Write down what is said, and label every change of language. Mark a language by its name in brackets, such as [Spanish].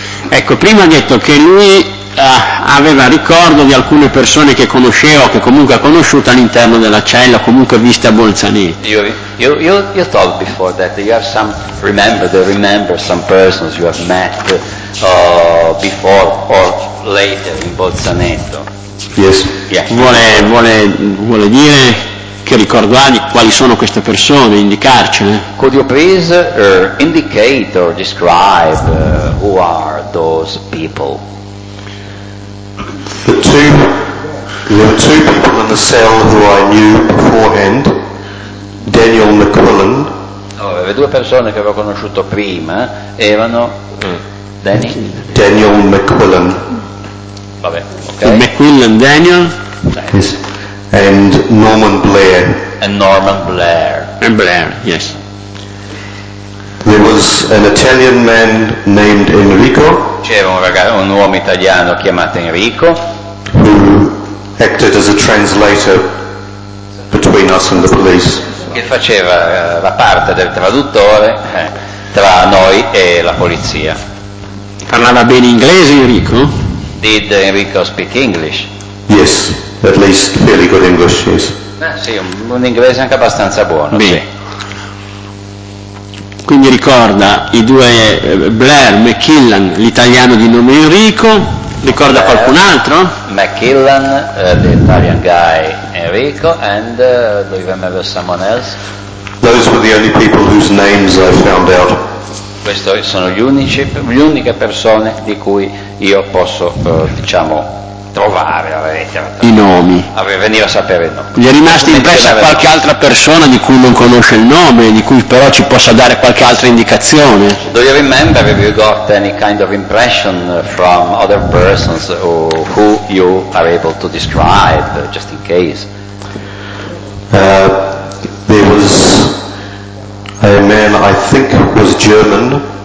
[Italian] Ecco, prima ha detto che lui aveva ricordo di alcune persone che conosceva, che comunque ha conosciuto all'interno della cella, comunque viste a Bolzaneto. [English] You told before that you have some remember some persons you have met before or later in Bolzaneto. Yes. Yeah. [Italian] Vuole dire che ricordi quali sono queste persone, indicarcene. [English] Could you please indicate or describe who are those people? There were two people in the cell who I knew beforehand, Daniel McQuillan. [Italian] Oh, le due persone che avevo conosciuto prima erano Daniel McQuillan. Vabbè, okay. [English] And McQuillan Daniel. Yes. And Norman Blair. And Norman Blair. And Blair, yes. There was an Italian man named Enrico. [Italian] C'era un uomo italiano chiamato Enrico. [English] Who acted as a translator between us and the police. [Italian] Che faceva la parte del traduttore tra noi e la polizia. Parlava bene inglese Enrico? [English] Did Enrico speak English? Yes, at least fairly good English, yes. [Italian] Sì, un inglese anche abbastanza buono. Bene. Sì. Quindi ricorda i due Blair, McKillan, l'italiano di nome Enrico. Ricorda Blair, qualcun altro? [English] McKillan, the Italian guy Enrico, and do you remember someone else? Those were the only people whose names I found out. [Italian] Queste sono le uniche persone di cui io posso, diciamo, trovare la lettera. I nomi. Veniva a sapere il nome. Gli è rimasta impressa qualche altra persona di cui non conosce il nome, di cui però ci possa dare qualche altra indicazione? [English] Do you remember if you got any kind of impression from other persons who you are able to describe, just in case? There was a man I think was German.